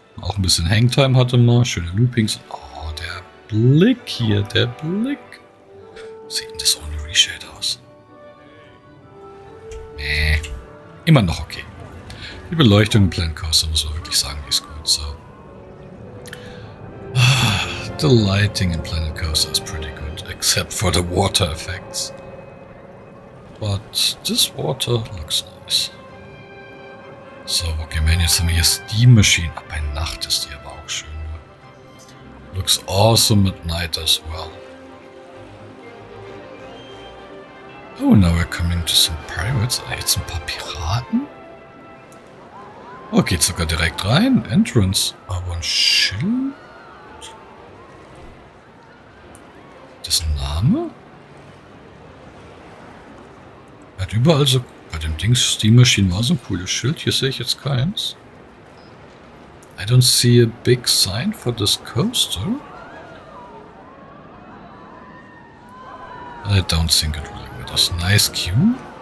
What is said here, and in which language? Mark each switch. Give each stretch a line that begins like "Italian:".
German: Auch ein bisschen Hangtime hatte man, schöne Loopings. Oh, der Blick hier, der Blick. Sieht denn das ohne Reshade aus? Immer noch okay. Die Beleuchtung im Plant Coaster, muss man wirklich sagen, ist gut, so.
English: The lighting in Planet Coaster is pretty good, except for the water effects. But this water looks nice.
German: So, okay, man, jetzt haben wir hier Steam Machine. Bei Nacht ist die aber auch schön.
English: Looks awesome at night as well. Oh, now we're coming to some pirates.
German: Ah, jetzt ein paar Piraten? Oh, geht sogar direkt rein. Entrance. Aber ein Schild? Das Name? Hat überall so. Bei dem Ding Steam Machine war so ein cooles Schild. Hier sehe ich jetzt keins.
English: I don't see a big sign for this coaster. I don't think it will be this nice queue.